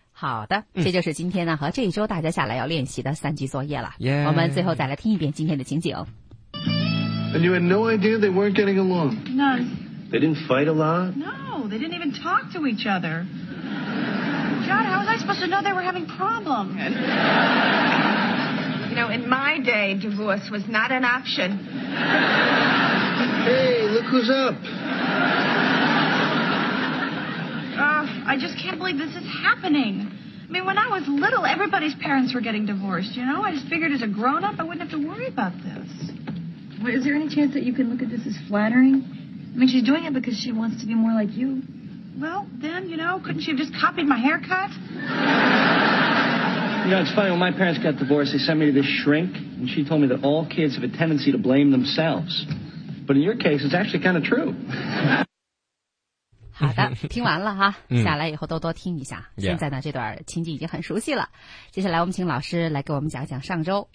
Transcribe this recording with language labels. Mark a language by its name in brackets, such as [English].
[Chinese] 好的，这就是今天呢和这一周大家下来要练习的三句作业了。 [English] Yeah. [Chinese] 我们最后再来听一遍今天的情景。 [English] And you had no idea they weren't getting along? None. They didn't fight a lot? No, they didn't even talk to each other. John, how was I supposed to know they were having problems? You know, in my day, divorce was not an option. Hey, look who's up. I just can't believe this is happening. I mean, when I was little, everybody's parents were getting divorced, you know? I just figured as a grown-up, I wouldn't have to worry about this. Wait, is there any chance that you can look at this as flattering? I mean, she's doing it because she wants to be more like you. Well, then, you know, couldn't she have just copied my haircut? You know, it's funny, when my parents got divorced, they sent me to this shrink, and she told me that all kids have a tendency to blame themselves. But in your case, it's actually kind of true. [Chinese] 好的，听完了哈，下来以后多多听一下。现在呢，这段情景已经很熟悉了。接下来我们请老师来给我们讲讲上周。